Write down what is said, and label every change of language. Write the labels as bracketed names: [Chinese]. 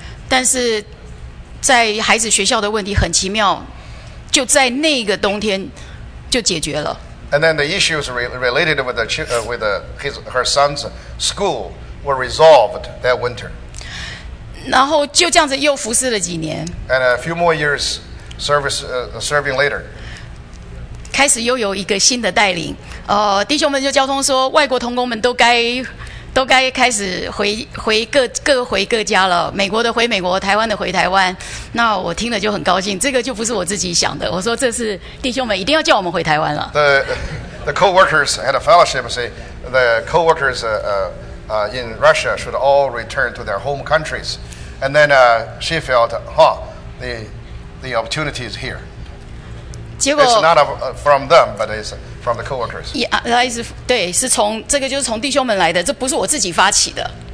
[Chinese] 但是在孩子学校的问题很奇妙，就在那个冬天就解决了。 [English] And then the issues related with her son's school were resolved that winter. [Chinese] 然后就这样子又服侍了几年。 [English] And a few more years serving later. [Chinese] 开始又有一个新的带领，弟兄们就交通说，外国同工们都该开始回各回各家了，美国的回美国，台湾的回台湾。那我听了就很高兴，这个就不是我自己想的。我说这是弟兄们一定要叫我们回台湾了。 [English] The co-workers had a fellowship. Say the co-workers in Russia should all return to their home countries, and then she felt, huh, the opportunity is here. It's not from them, but it's from the co-workers. Yeah, it's [Chinese] 对，是从这个就是从弟兄们来的，这不是我自己发起的。